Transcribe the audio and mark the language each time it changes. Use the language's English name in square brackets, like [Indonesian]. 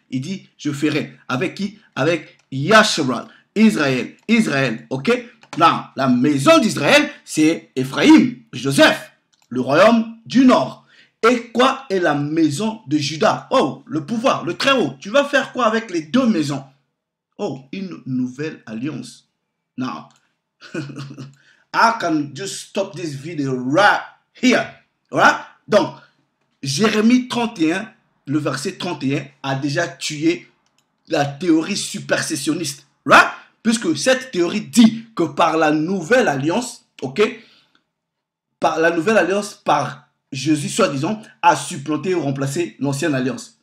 [French] Il dit, je ferai. Avec qui? Avec Yashar, Israël. Israël, ok? Non, la maison d'Israël, c'est Éphraïm, Joseph, le royaume du nord. Et quoi est la maison de Juda? Oh, le pouvoir, le très haut. Tu vas faire quoi avec les deux maisons? Oh, une nouvelle alliance. [English] Now, I can just stop this video right here. [French] Voilà. Donc, Jérémie 31, le verset 31, a déjà tué la théorie supersessionniste. Right? Puisque cette théorie dit que par la nouvelle alliance, ok, par la nouvelle alliance, par Jésus, soi-disant, a supplanté ou remplacé l'ancienne alliance.